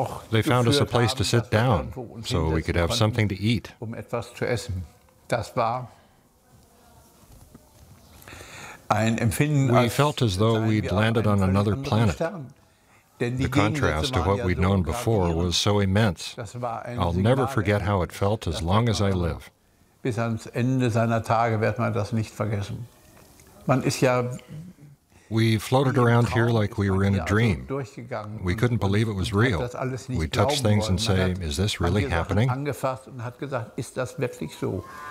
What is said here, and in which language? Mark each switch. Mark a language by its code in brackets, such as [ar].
[en] They found us a place to sit down so we could have something to eat. [de] Etwas zu essen. Das war ein Empfinden, [en] we felt as though we'd landed on another planet. The contrast to what we'd known before was so immense. I'll never forget how it felt as long as I live. [de] Bis ans Ende seiner Tage wird man das nicht vergessen. Man ist ja. [en] We floated around here like we were in a dream. We couldn't believe it was real. We touched things and say, is this really happening? [de] Angefasst und hat gesagt, ist das wirklich so?